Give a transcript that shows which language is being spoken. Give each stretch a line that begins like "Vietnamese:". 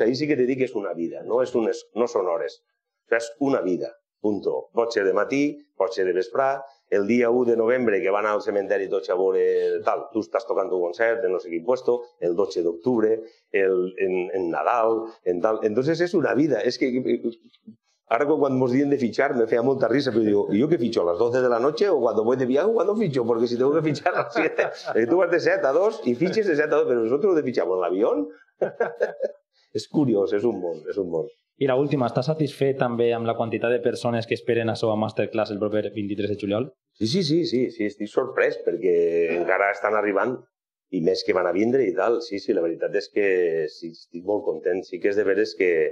Catalan: Ahir sí que t'he dit que és una vida, no són hores. O sigui, és una vida, punto. Pot ser de matí, pot ser de vesprà, el dia 1 de novembre que van al cementeri tots a veure tal, tu estàs tocant un concert en no sé quin puesto, el 12 d'octubre, en Nadal, en tal... Entonces és una vida, és que... Ara quan mos diuen de fitxar, me feia molta risa, però digo,
Spanish: ¿y yo qué ficho? ¿A las 12 de la noche o cuando voy de viaje o cuando ficho? Porque si tengo que fichar a las 7, tú vas de 7 a 2 y fiches de 7 a 2, pero nosotros lo de fichamos en l'avión.
Catalan: És curiós, és un món, és un món. I l'última, ¿estás satisfet també amb la quantitat de persones que esperen a seva masterclass el proper 23 de juliol? Sí, estic sorprès perquè encara estan arribant i més que van a vindre i tal. Sí, la veritat és que estic molt content. Sí que és de veres que